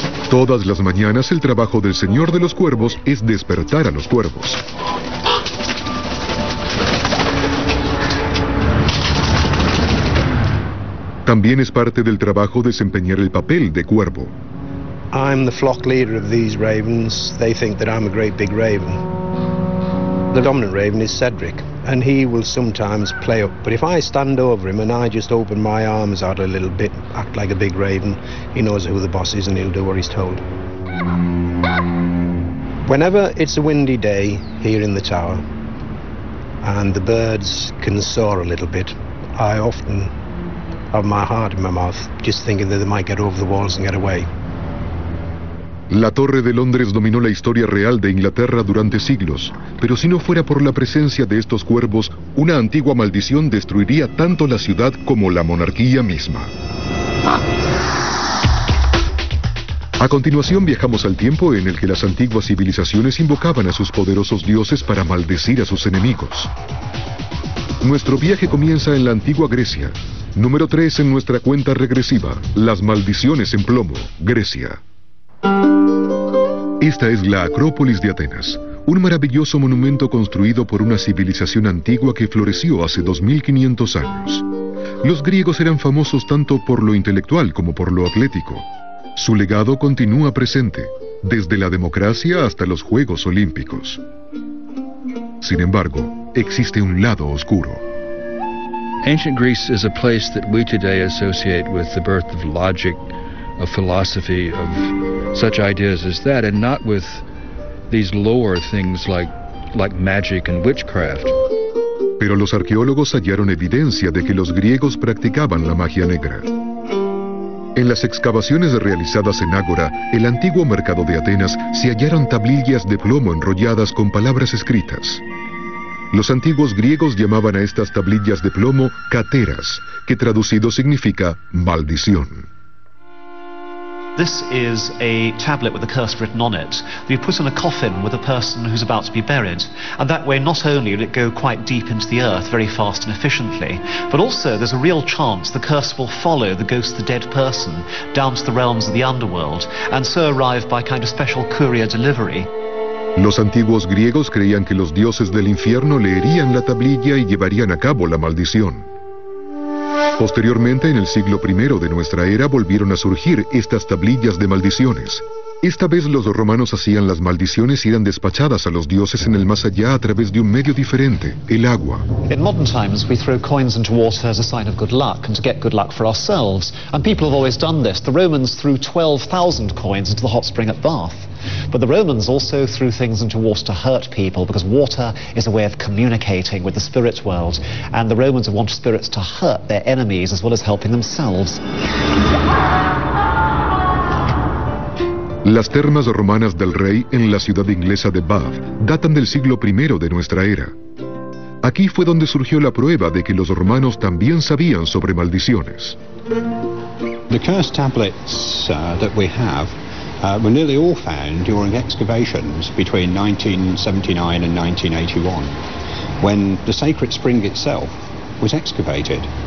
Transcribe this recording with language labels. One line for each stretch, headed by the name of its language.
Spanish: Todas las mañanas el trabajo del señor de los cuervos es despertar a los cuervos. También es parte del trabajo desempeñar el papel de cuervo.
English: I'm the flock leader of these ravens. They think that I'm a great big raven. The dominant raven is Cedric, and he will sometimes play up. But if I stand over him and I just open my arms out a little bit, act like a big raven, he knows who the boss is and he'll do what he's told. Whenever it's a windy day here in the tower, and the birds can soar a little bit, I often have my heart in my mouth, just thinking that they might get over the walls and get away.
Spanish: La Torre de Londres dominó la historia real de Inglaterra durante siglos, pero si no fuera por la presencia de estos cuervos, una antigua maldición destruiría tanto la ciudad como la monarquía misma. A continuación viajamos al tiempo en el que las antiguas civilizaciones invocaban a sus poderosos dioses para maldecir a sus enemigos. Nuestro viaje comienza en la antigua Grecia. Número 3 en nuestra cuenta regresiva, las maldiciones en plomo, Grecia. Esta es la Acrópolis de Atenas, un maravilloso monumento construido por una civilización antigua que floreció hace 2500 años. Los griegos eran famosos tanto por lo intelectual como por lo atlético. Su legado continúa presente, desde la democracia hasta los Juegos Olímpicos. Sin embargo, existe un lado oscuro.
English: Ancient Greece is a place that we today associate with the birth of logic, of philosophy, of such ideas as that, and not with these lower things like magic and witchcraft.
Spanish: Pero los arqueólogos hallaron evidencia de que los griegos practicaban la magia negra. En las excavaciones realizadas en Ágora, el antiguo mercado de Atenas, se hallaron tablillas de plomo enrolladas con palabras escritas. Los antiguos griegos llamaban a estas tablillas de plomo kateras, que traducido significa maldición.
English: This is a tablet with a curse written on it. You put in a coffin with a person who's about to be buried, and that way not only will it go quite deep into the earth very fast and efficiently, but also there's a real chance the curse will follow the ghost of the dead person down to the realms of the underworld, and so arrive by kind of special courier delivery.
Spanish: Los antiguos griegos creían que los dioses del infierno leerían la tablilla y llevarían a cabo la maldición. Posteriormente, en el siglo I de nuestra era, volvieron a surgir estas tablillas de maldiciones. Esta vez los romanos hacían las maldiciones y eran despachadas a los dioses en el más allá a través de un medio diferente, el agua.
English: In modern times, we throw coins into water as a sign of good luck and to get good luck for ourselves. And people have always done this. The Romans threw 12,000 coins into the hot spring at Bath. But the Romans also threw things into water to hurt people, because water is a way of communicating with the spirit world. And the Romans have wanted spirits to hurt their enemies as well as helping themselves.
Spanish: Las termas romanas del rey en la ciudad inglesa de Bath datan del siglo I de nuestra era. Aquí fue donde surgió la prueba de que los romanos también sabían sobre maldiciones.
English: The cursed tablets that we have were nearly all found during excavations between 1979 and 1981, when the sacred spring itself was excavated.